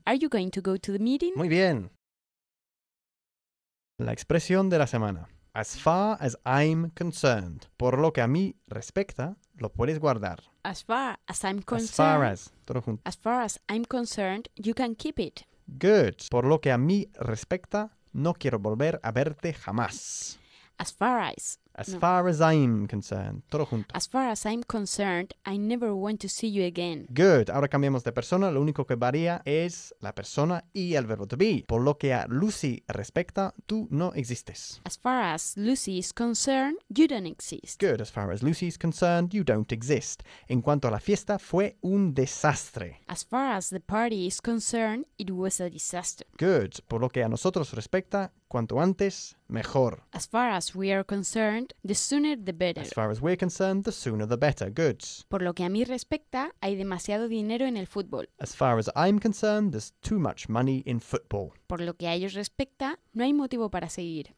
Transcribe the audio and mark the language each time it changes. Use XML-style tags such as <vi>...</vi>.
<en>Are you going to go to the meeting?</en> <es>Muy bien. La expresión de la semana.</es> <en>As far as I'm concerned.</en> <es>Por lo que a mí respecta, lo puedes guardar.</es> <en>As far as I'm concerned. As far as,</en> <es>todo junto.</es> <en>As far as I'm concerned, you can keep it. Good.</en> <es>Por lo que a mí respecta, no quiero volver a verte jamás.</es> <en>As far as. As no. far as I'm concerned.</en> <es>Todo junto.</es> <en>As far as I'm concerned, I never want to see you again.</en> <es>Good. Ahora cambiamos de persona. Lo único que varía es la persona y el verbo to be. Por lo que a Lucy respecta, tú no existes.</es> <en>As far as Lucy is concerned, you don't exist. Good. As far as Lucy is concerned, you don't exist.</en> <es>En cuanto a la fiesta, fue un desastre.</es> <en>As far as the party is concerned, it was a disaster. Good.</en> <es>Por lo que a nosotros respecta, cuanto antes, mejor.</es> <en>As far as we are concerned, the sooner the better. As far as we're concerned, the sooner the better. Good.</en> <es>Por lo que a mí respecta, hay demasiado dinero en el fútbol.</es> <en>As far as I'm concerned, there's too much money in football.</en> <es>Por lo que a ellos respecta, no hay motivo para seguir.</es>